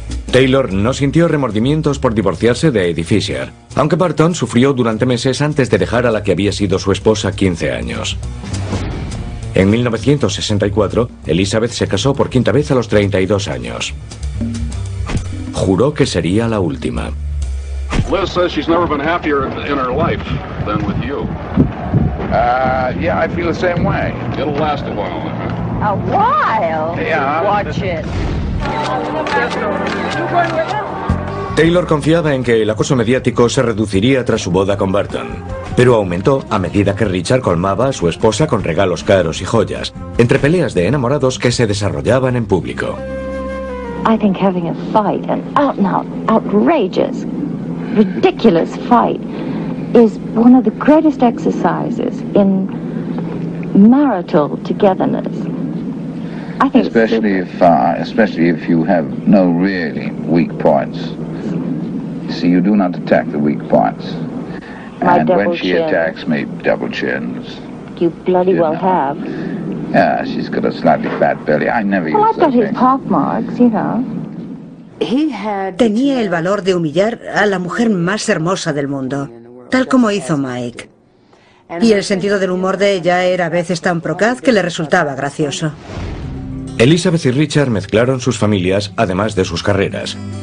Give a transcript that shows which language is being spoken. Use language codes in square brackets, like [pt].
[es] Taylor no sintió remordimientos por divorciarse de Eddie Fisher, aunque Burton sufrió durante meses antes de dejar a la que había sido su esposa 15 años. En 1964, Elizabeth se casó por quinta vez a los 32 años. Juró que sería la última. [en] Liz says she's never been happier in her life than with you. Yeah, I feel the same way. It'll last a while. A while? Yeah. Watch it. [es] Taylor confiaba en que el acoso mediático se reduciría tras su boda con Burton, pero aumentó a medida que Richard colmaba a su esposa con regalos caros y joyas, entre peleas de enamorados que se desarrollaban en público. [en] I think having a fight, an out and out, outrageous, ridiculous fight, is one of the greatest exercises in marital togetherness. Especially if you have no really weak points. See, you do not attack the weak points. And when she attacks me, double chins. You bloody well have. Yeah, she's got a slightly fat belly. I never used to. Well, I've got his pock marks, you know. [es] Tenía el valor de humillar a la mujer más hermosa del mundo, tal como hizo Mike. Y el sentido del humor de ella era a veces tan procaz que le resultaba gracioso. Elizabeth y Richard mezclaron sus familias, además de sus carreras.